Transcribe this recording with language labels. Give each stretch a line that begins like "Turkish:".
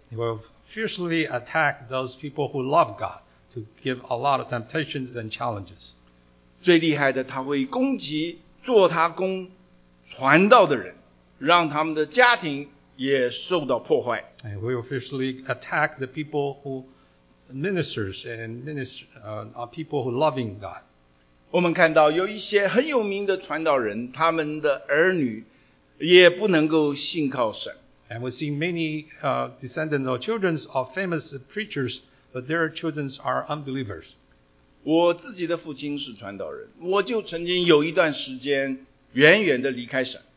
English: He will fiercely attack those people who love God to give a lot of temptations and challenges.
Chinese: 最厉害的，他会攻击做他工传道的人，让他们的家庭也受到破坏。
English: And he will fiercely attack the people who ministers and people who loving God.
Chinese: 我们看到有一些很有名的传道人，他们的儿女也不能够信靠神。
English: And we see many descendants or children of famous preachers, but their children are unbelievers.
Chinese: 我自己的父亲是传道人，我就曾经有一段时间远远的离开神。